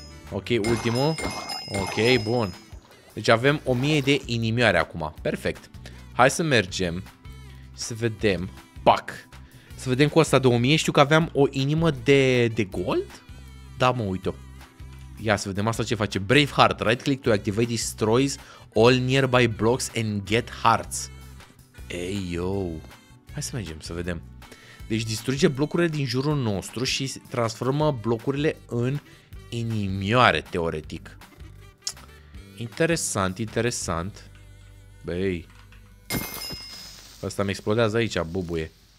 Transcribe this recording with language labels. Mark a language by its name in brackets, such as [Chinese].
[Romanian] Ok, ultimul. Ok, bun. Deci avem 1000 de inimioare acum. Perfect. Hai să mergem. Să vedem. Pac. Să vedem cu asta de 1000. Știu că aveam o inimă de gold. Da, mă, uite-o. Ia să vedem asta ce face. Braveheart. [English] Right click to activate destroys all nearby blocks and get hearts. [Romanian] Ei, yo. Hai să mergem să vedem. Deci distruge blocurile din jurul nostru și transformă blocurile în inimioare, teoretic. Interesant, interesant. Băi, asta mi explodează aici, bubuie.